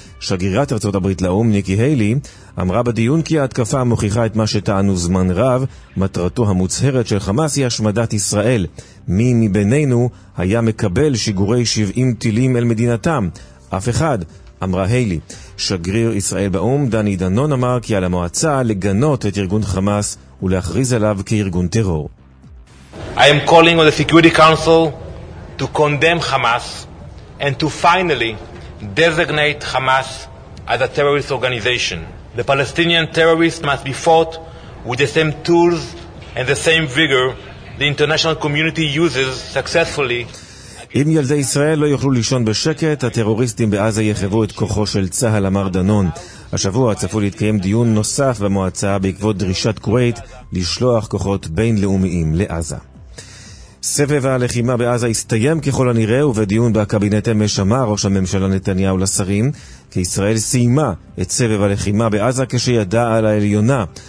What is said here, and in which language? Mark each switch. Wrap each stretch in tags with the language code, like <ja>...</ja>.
<he>שגרירת ארצות הברית לאום ניקי היילי אמרה בדיון כי ההתקפה מוכיחה את מה שטענו זמן רב, מטרתו המוצהרת של חמאס היא השמדת ישראל. מי מבינינו היה מקבל שיגורי 70 טילים אל מדינתם? אף אחד, אמרה היילי. שגריר ישראל באום דני דנון אמר כי על המועצה לגנות את ארגון חמאס ולהכריז עליו כארגון טרור.</he> <en>I am calling on the Security Council to condemn Hamas and to finally designate Hamas as a terrorist organization. The Palestinian terrorists must be fought with the same tools and the same vigor the international community uses successfully.</en> <he>אם ילדי ישראל לא יוכלו לישון בשקט, הטרוריסטים בעזה יחוו את כוחו של צהל, אמר דנון. השבוע צפו להתקיים דיון נוסף במועצה בעקבות דרישת קווית לשלוח כוחות בינלאומיים לעזה. סבב הלחימה בעזה הסתיים ככל הנראה, ובדיון בקבינט אמש אמר ראש הממשלה נתניהו לשרים כי ישראל סיימה את סבב הלחימה בעזה כשידעה על העליונה.</he>